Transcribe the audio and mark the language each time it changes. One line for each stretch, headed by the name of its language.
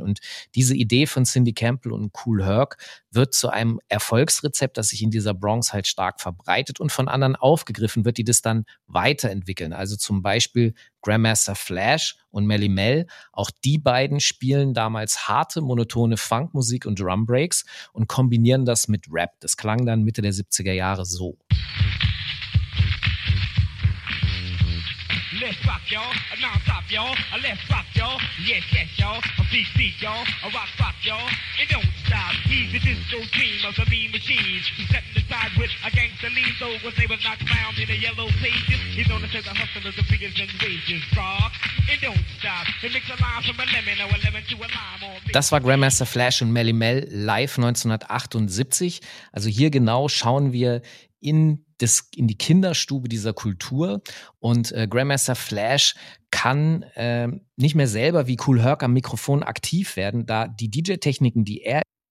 German: Und diese Idee von Cindy Campbell und Kool Herc wird zu einem Erfolgsrezept, das sich in dieser Bronx halt stark verbreitet und von anderen aufgegriffen wird, die das dann weiterentwickeln. Also zum Beispiel Grandmaster Flash und Melly Mel, auch die beiden spielen damals harte, monotone Funkmusik und Drumbreaks und kombinieren das mit Rap. Das klang dann Mitte der 70er Jahre so.
English: Let's rock, y'all, non-stop, y'all, let's rock, y'all, yes, yes, y'all, a beat, beat, y'all, a rock, rock, y'all, it don't stop, he's the disco dream of the mean machines, set the side with a gangster lean, so when they were not found in the yellow pages, he's on the set of hustlers, the figures and wages, rock, it don't stop, it makes a line from a lemon, or a lemon to a lime, or...
German: Das war Grandmaster Flash und Melly Mel live 1978, also hier genau schauen wir in die Kinderstube dieser Kultur. Und Grandmaster Flash kann nicht mehr selber wie Kool Herc am Mikrofon aktiv werden, da die DJ-Techniken, die er...